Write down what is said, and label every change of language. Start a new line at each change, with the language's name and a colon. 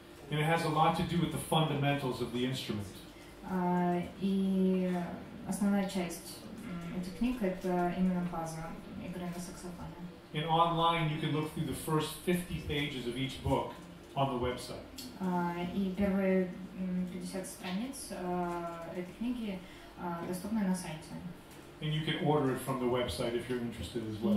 English: And it has a lot to do with the fundamentals of the instrument.
Russian: И основная часть этой книги это именно база игры на саксофоне.
English: And online you can look through the first 50 pages of each book on the website.
Russian: И первые 50 страниц этой книги доступны на сайте.
English: And you can order it from the website if you're interested as well.